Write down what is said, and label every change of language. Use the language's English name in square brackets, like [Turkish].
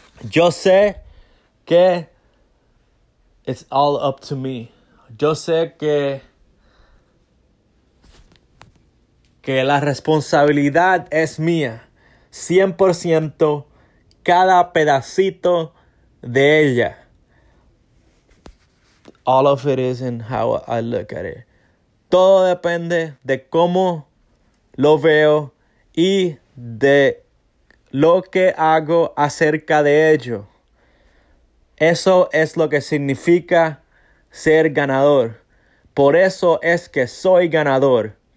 [Spanish] Yo sé que [English] it's all up to me. [Spanish] Yo sé que que la responsabilidad es mía, 100%, cada pedacito de ella. [English] All of it is in how I look at it. [Spanish] Todo depende de cómo lo veo y de lo que hago acerca de ello. Eso es lo que significa ser ganador. Por eso es que soy ganador.